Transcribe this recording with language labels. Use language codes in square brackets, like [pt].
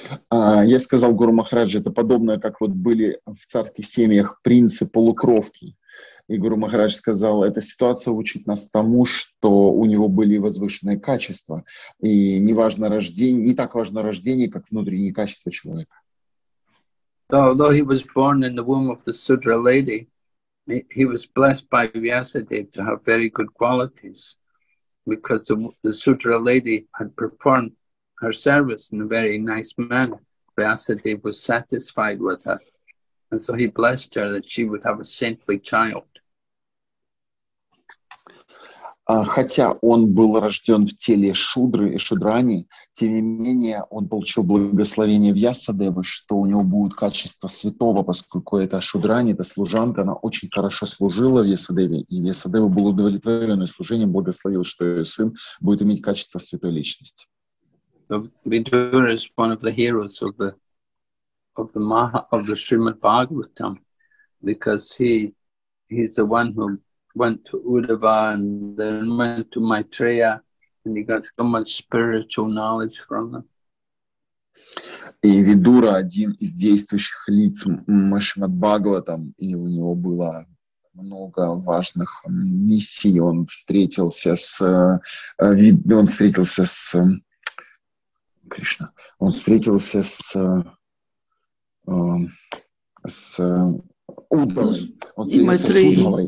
[ru] Я сказал Гуру Махараджи, это подобное, как вот были в царских семьях принцы полукровки. И Гуру Махарадж сказал, эта ситуация учит нас тому, что у него были возвышенные качества. И не важно рождение, не так важно рождение, как внутренние качества человека. [en] Although he was born in the womb of the Sudra lady, he was blessed by Vyasadeva to have very good qualities, because the Sudra lady had performed her service in a very nice manner. Vyasadeva was satisfied with her. And so he blessed her that she would have a saintly child. [ru] Хотя он был рожден в теле шудры и шудрани, тем не менее он получил благословение Вьясадевы, что у него будут качества святого, поскольку это шудрани, это служанка, она очень хорошо служила Вьясадеве, и Вьясадева был удовлетворен служением, благословил, что ее сын будет иметь качество святой личности. [en] Vidura is one of the heroes of the Maha of the Srimad Bhagavatam, because he's the one who went to Uddhava and then went to Maitreya, and he got so much spiritual knowledge from them. [ru] И Видура один из действующих лиц Шримад Бхагаватам, и у него было много важных миссий. Он встретился с Кришна. Он встретился с Удхавой. Он встретился с Удхавой.